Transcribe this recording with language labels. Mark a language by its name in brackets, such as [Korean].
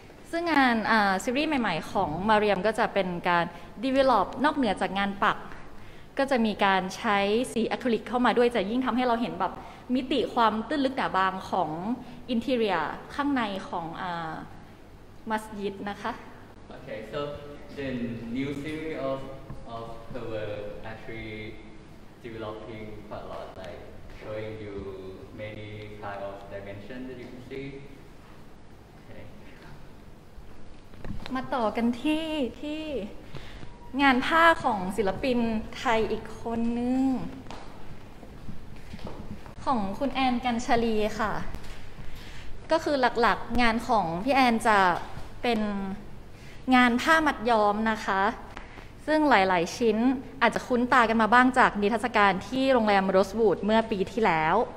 [Thai] ซึ่งงานซีรีส์ใหม่ๆของมาเรียมก็จะเป็นการ develop นอกเหนือจากงานปักก็จะมีการใช้สีอะคริลิกเข้ามาด้วยจะยิ่งทำให้เราเห็นแบบมิติความตื้นลึกแต่บางของอินทีเรียข้างในของมัสยิดนะคะ โอเค so [English] the new theory of the world actually developing quite a lot, like showing you many kind of dimensions that you can see. [Thai] มาต่อกันที่งานผ้าของศิลปินไทยอีกคนนึงของคุณแอนกัญชลีค่ะก็คือหลักๆงานของพี่แอนจะเป็นงานผ้ามัดย้อมนะคะซึ่งหลายๆชิ้นอาจจะคุ้นตากันมาบ้างจากนิทรรศการที่โรงแรมโรสวูดเมื่อปีที่แล้ว